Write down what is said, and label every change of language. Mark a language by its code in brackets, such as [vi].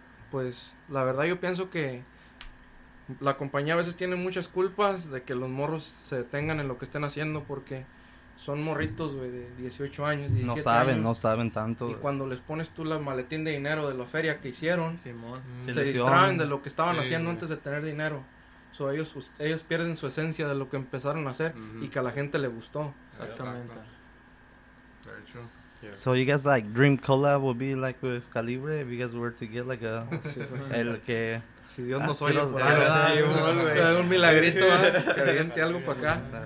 [es] Pues la verdad yo pienso que la compañía a veces tiene muchas culpas de que los morros se detengan en lo que estén haciendo porque son morritos, güey, de 18 años, 17 no saben tanto. Y cuando les pones tú el maletín de dinero de la feria que hicieron, Simón. Se distraen de lo que estaban haciendo antes de tener dinero. So, ellos pierden su esencia de lo que empezaron a hacer y que a la gente le gustó. Exactamente. [en] Very true. Yeah. So you guys like dream collab would be like with Calibre if you guys were to get like a [es] el que si Dios nos oye por ahí un milagrito que aviente algo para acá